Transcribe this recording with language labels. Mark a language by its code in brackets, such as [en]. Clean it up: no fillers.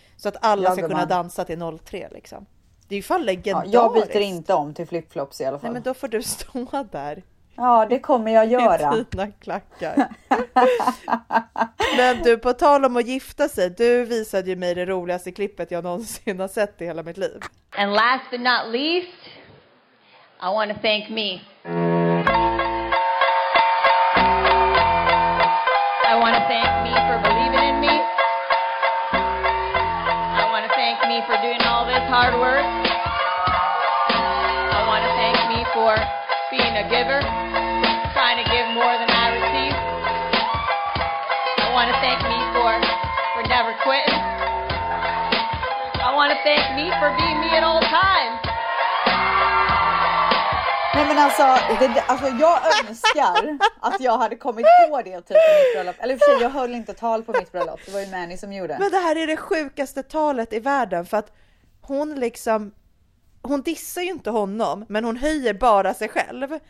[sv] Så att alla ska kunna dansa till 03 liksom. Det är ju fan legendariskt. Ja, jag byter inte om till flipflops i alla fall. Nej, men då får du stå där. Ja, det kommer jag göra. Med fina klackar. Men du, på tal om att gifta sig, du visade ju mig det roligaste klippet jag någonsin har sett i hela mitt liv. [en] And last but not least, I want to thank me. I want to thank me for believing in me. I want to thank me for doing all this hard work. I want to thank me for being a giver, trying to give more than I receive. I want to thank me for never quitting. I want to thank me for being me at all times. [sv] Nej, men alltså, alltså jag önskar att jag hade kommit på det typ på mitt bröllop. Eller för sig, jag höll inte tal på mitt bröllop. Det var ju Manny som gjorde. Men det här är det sjukaste talet i världen. För att hon liksom, hon dissar ju inte honom, men hon höjer bara sig själv.